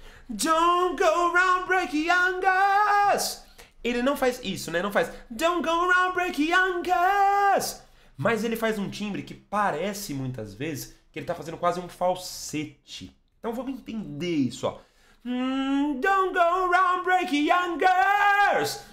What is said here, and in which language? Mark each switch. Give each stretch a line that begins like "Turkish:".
English: Don't go around breaking young girls.
Portuguese: Ele não faz isso, né? Não faz
English: Don't go around breaking young girls!
Portuguese: Mas ele faz um timbre que parece muitas vezes que ele tá fazendo quase um falsete. Então vamos entender isso, ó.
English: Don't go around breaking young girls!